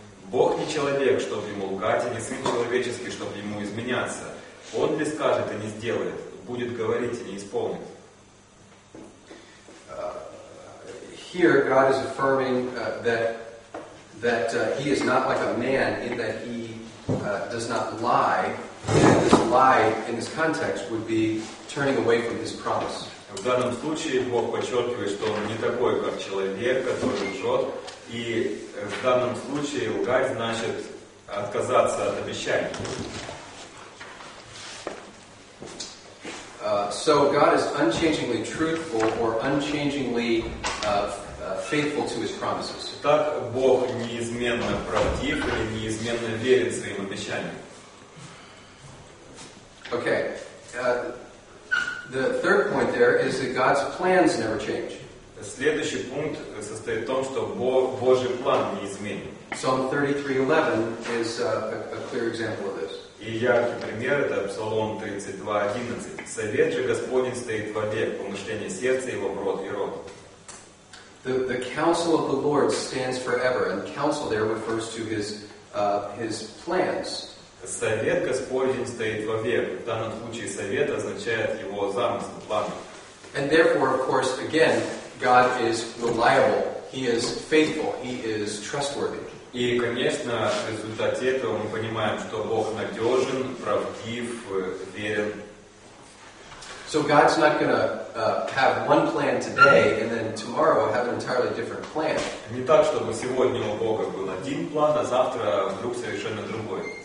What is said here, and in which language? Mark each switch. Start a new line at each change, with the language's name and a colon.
Russian: Бог не человек, чтобы ему лгать, и не сын человеческий, чтобы ему изменяться. Он не скажет и не сделает, будет говорить и не исполнит.
English: Here God is affirming that he is not like a man in that he does not lie. And this lie in this context would be turning away from his promise.
Russian: В данном случае Бог подчеркивает, что он не такой, как человек, который лжет. И в данном случае лгать значит отказаться от обещаний.
English: So God is unchangingly truthful or unchangingly faithful to his promises.
Russian: Так Бог неизменно правдив или неизменно верен своим обещаниям.
English: Okay. The third point there is that God's plans never change.
Russian: Следующий пункт состоит в том, что Божий план неизменен.
English: Psalm 33:11 is a clear example of this.
Russian: И яркий пример это Псалом 32:11. Совет же Господень стоит вовек, помышление сердца его в рот и рот.
English: The counsel of the Lord stands forever, and counsel there refers to his plans.
Russian: Совет Господень стоит вовек. В данном случае совет означает его замысел, план.
English: And therefore, of course, again, God is reliable. He is faithful. He is trustworthy.
Russian: И, конечно, в результате этого мы понимаем, что Бог надежен, правдив, верен.
English: So God's not going to have one plan today and then tomorrow have an entirely different plan.
Russian: Не так, чтобы сегодня у Бога был один план, а завтра вдруг совершенно другой.